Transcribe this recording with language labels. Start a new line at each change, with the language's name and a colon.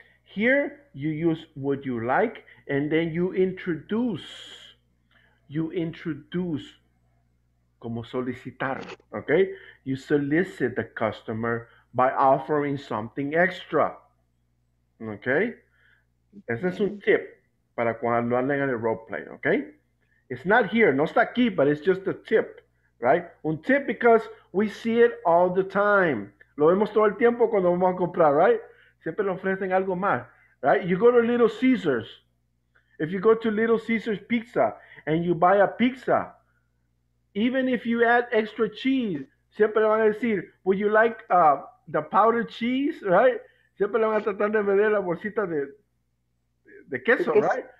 English: Here, you use would you like, and then you introduce,
Spanish: como solicitar,
English: okay? You solicit the customer by offering something extra, okay?
Spanish: Ese es un tip para cuando hablen en el role play, okay?
English: It's not here,
Spanish: no está aquí,
English: but it's just a tip, right? Un tip because we see it all the time.
Spanish: Lo vemos todo el tiempo cuando vamos a comprar, right? Siempre le ofrecen algo más, right?
English: You go to Little Caesars. If you go to Little Caesars Pizza and you buy a pizza, even if you add extra cheese,
Spanish: siempre le van a decir,
English: would you like the powdered cheese, right?
Spanish: Siempre le van a tratar de vender la bolsita de queso, right?